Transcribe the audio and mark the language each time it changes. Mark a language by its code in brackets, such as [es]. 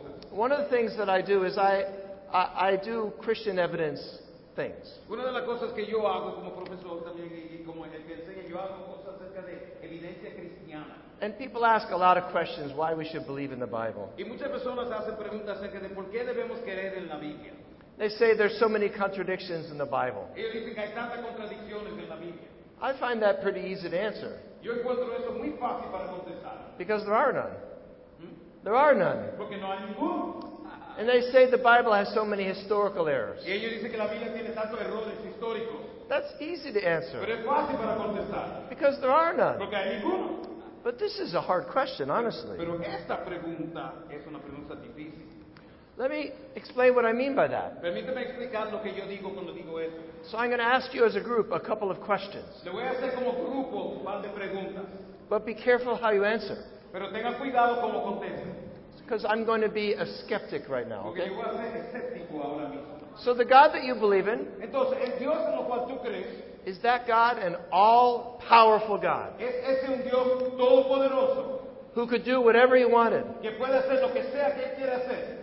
[en] One of the things that I do is I do Christian evidence things. [es] Una de las cosas que yo hago como profesor también y como el que enseña, yo hago cosas acerca de evidencia cristiana. [en] And people ask a lot of questions why we should believe in the Bible. [es] Y muchas personas hacen preguntas acerca de por qué debemos creer en la Biblia. [en] They say there's so many contradictions in the Bible. [es] Ellos dicen que hay tantas contradicciones en la Biblia. [en] I find that pretty easy to answer. [es] Yo encuentro eso muy fácil para contestar. [en] Because there are none. There are none. [es] Porque no hay ninguno. [en] And they say the Bible has so many historical errors. [es] Y ellos dicen que la Biblia tiene tantos errores históricos. [en] That's easy to answer. [es] Pero es fácil para contestar. [en] Because there are none. [es] Porque hay ninguno. [en] But this is a hard question, honestly. [es] Pero esta pregunta es una pregunta difícil. [en] Let me explain what I mean by that. [es] Permíteme explicar lo que yo digo cuando digo eso. [en] So I'm going to ask you as a group a couple of questions. [es] Le voy a hacer como grupo un par de preguntas. [en] But be careful how you answer. [es] Pero tenga cuidado cómo conteste. [en] Because I'm going to be a skeptic right now. Okay? [es] Yo voy a ser escéptico ahora mismo. [en] So the God that you believe in, [es] entonces, el Dios en lo cual tú crees, [en] is that God an all-powerful God? [es] Es un Dios todopoderoso, [en] who could do whatever he wanted. [es] Que puede hacer lo que sea que quiera hacer,